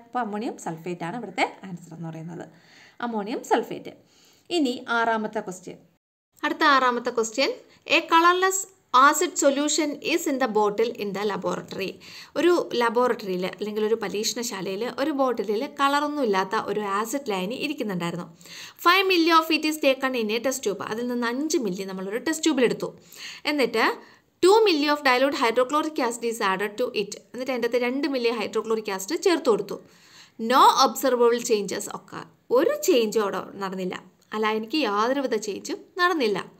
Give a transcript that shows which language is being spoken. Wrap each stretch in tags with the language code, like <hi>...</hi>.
<ml>അപ്പോൾ ammonium sulphate ആണ് ഇവിടുത്തെ ആൻസർ എന്ന് പറയുന്നത്, അമോണിയം സൾഫേറ്റ്. ഇനി 6-ാമത്തെ ക്വസ്റ്റ്യൻ. അടുത്ത 6-ാമത്തെ question, A colourless</ml> <en>Acid solution is in the bottle in the laboratory.</en> <ml>ഒരു ലബോറട്ടറിയിൽ അല്ലെങ്കിൽ ഒരു പരീക്ഷണശാലയിൽ ഒരു ബോട്ടിലിൽ കളറൊന്നുമില്ലാത്ത ഒരു acid ലൈനി ഇരിക്കുന്നുണ്ടായിരുന്നു.</ml> <en>5 mL of it is taken in a test tube.</en> <ml>അതിൽ നിന്ന് 5 mL നമ്മളൊരു ടെസ്റ്റ് ട്യൂബിലെടുത്തു. എന്നിട്ട്</ml> <en>2 mL of dilute hydrochloric acid is added to it.</en> <ml>എന്നിട്ട് അതിൻ്റെ 2 mL ഹൈഡ്രോക്ലോറിക് ആസിഡ് ചേർത്ത് കൊടുത്തു.</ml> <en>no observable changes</en> <ml>ഒക്കെ. ഒരു ചേഞ്ചും അവിടെ നടന്നില്ല. അല്ല, എനിക്ക് യാതൊരു വിധ ചേഞ്ചും നടന്നില്ല.</ml>